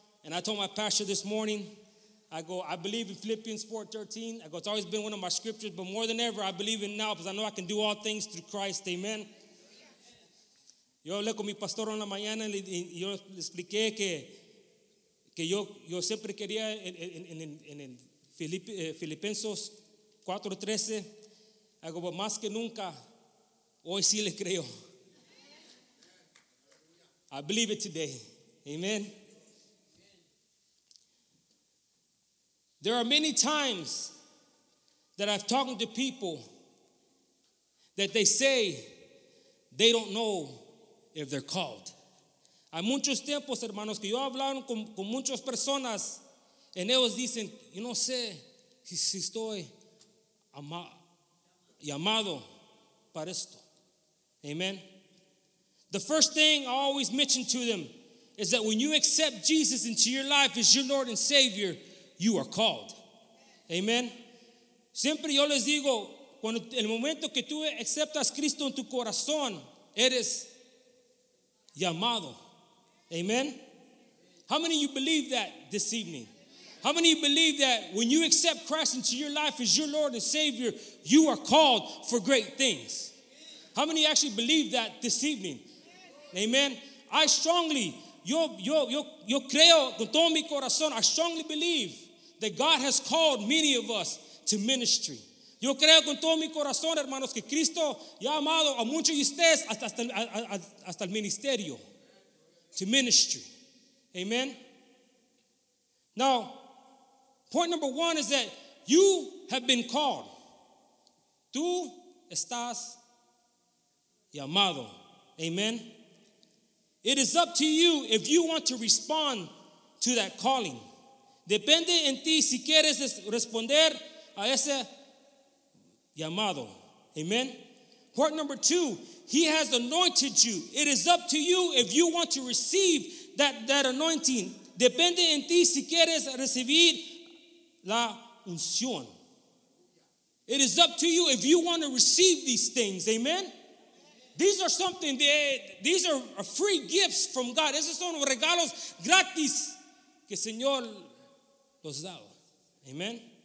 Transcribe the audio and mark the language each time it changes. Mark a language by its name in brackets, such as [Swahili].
[English] And I told my pastor this morning, I go, I believe in Philippians 4:13. I go, it's always been one of my scriptures, but more than ever, I believe in now because I know I can do all things through Christ. Amen. [Spanish] Yo hablé con mi pastor en la mañana y yo le expliqué que yo siempre quería en Filipenses 4:13. [English] I go, but [Spanish] más que nunca, hoy sí le creo. [English] I believe it today. Amen. There are many times that I've talked to people that they say they don't know if they're called. [Spanish] Hay muchos tiempos, hermanos, que yo he hablado con muchas personas y ellos dicen, yo no sé si estoy llamado para esto. Amen. [English] The first thing I always mention to them is that when you accept Jesus into your life as your Lord and Savior, you are called. Amen. [Spanish] Siempre yo les digo, cuando el momento que tú aceptas Cristo en tu corazón, eres llamado. Amen. [English] How many of you believe that this evening? How many of you believe that when you accept Christ into your life as your Lord and Savior, you are called for great things? How many actually believe that this evening? Amen. I strongly, [Spanish] yo creo con todo mi corazón, [English] I strongly believe that God has called many of us to ministry. [Spanish] Yo creo con todo mi corazón, hermanos, que Cristo ya ha amado a muchos de ustedes hasta el ministerio, [English] to ministry. Amen. Now, point number one is that you have been called. [Spanish] Tú estás llamado. Amen. [English] It is up to you if you want to respond to that calling. [Spanish] Depende en ti si quieres responder a ese llamado. [English] Amen. Part number two, he has anointed you. It is up to you if you want to receive that anointing. [Spanish] Depende en ti si quieres recibir la unción. [English] It is up to you if you want to receive these things. Amen. These are something, these are free gifts from God. [Spanish] Esos son regalos gratis que Señor los da. Amen.